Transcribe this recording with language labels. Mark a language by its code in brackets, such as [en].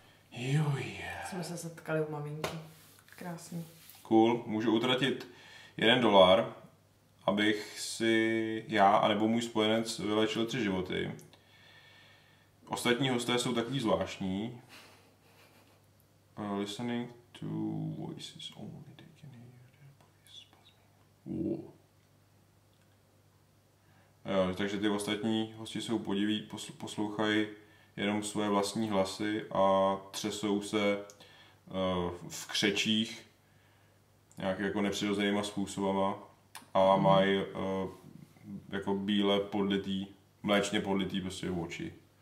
[cs] Juj. Yeah. jsme se setkali u maminky. Krásný. [en] Cool. [cs] Můžu utratit $1, abych si já, anebo můj spojenec, vylečil 3 životy. Ostatní hosté jsou takový zvláštní. [en] Listening to voices only, they can hear their voices. [cs] Jo, takže ty ostatní hosti jsou podiví, poslouchají jenom své vlastní hlasy a třesou se v křečích nějak jako nepřirozenýma způsobama a mají jako bíle podlitý, mléčně podlitý prostě v oči.